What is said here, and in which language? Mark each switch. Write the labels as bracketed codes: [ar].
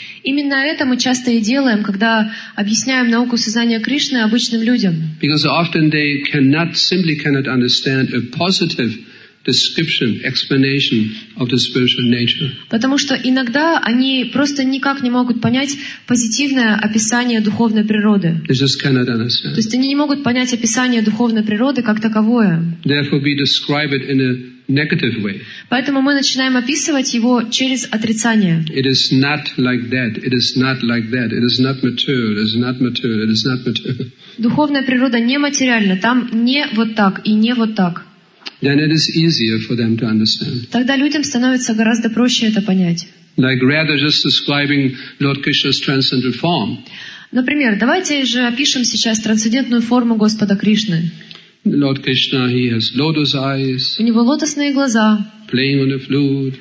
[ru] Именно это мы часто и делаем, когда объясняем науку сознания Кришны обычным людям. [en] Because often they simply cannot understand a positive description, explanation of the spiritual nature. [ru] Потому что иногда они просто никак не могут понять позитивное описание духовной природы. [en] They just cannot understand. [ru] То есть они не могут понять описание духовной природы как таковое. [en] Therefore, we describe it in a negative way. [ru] Поэтому мы начинаем описывать его через отрицание. [en] It is not like that. It is not like that. It is not material. It is not material. It is not material. [ru] Духовная природа не материальна. Там не вот так и не вот так. [en] Then it is easier for them to understand. [ru] Тогда людям становится гораздо проще это понять. [en] Like rather just describing Lord Krishna's transcendental form. [ru] Например, давайте же опишем сейчас трансцендентную форму Господа Кришны. [en] Lord Krishna, he has lotus eyes. [ru] У него лотосные глаза. [en] Playing on a flute.